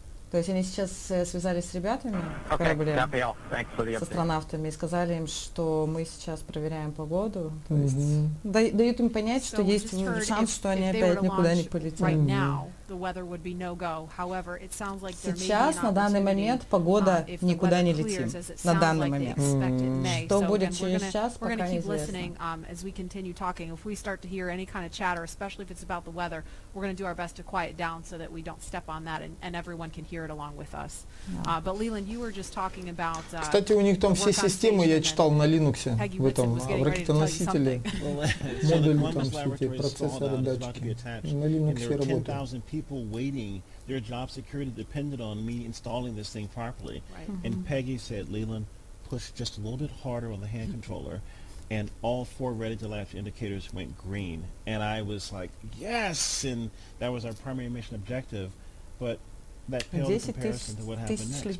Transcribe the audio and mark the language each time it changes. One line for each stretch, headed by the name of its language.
Russian: То есть они сейчас связались с ребятами в корабле, с астронавтами, и сказали им, что мы сейчас проверяем погоду. То есть дают им понять, что есть шанс, что они опять никуда не полетят. Сейчас, на данный момент, погода никуда не летит. На данный момент. Что будет через час, пока неизвестно.
English: As we continue talking, if we start to hear any kind of chatter, especially if it's about the weather, we're going to do our best to quiet down so that we don't step on that and everyone can hear it along with us. But Leland, you were just talking about.
Russian: Кстати, у них там все системы, я читал на Linux'е, в этом, в ракетоносителе, модуль там, эти процессоры, датчики, на Linux'е работают.
English: Their job security depended on me installing this thing properly. And Peggy said, Leland, push just a little bit harder on the hand controller. And all four ready-to-latch indicators went green. And I was like, yes! And that was our primary mission objective. But that paled in comparison to what happened next.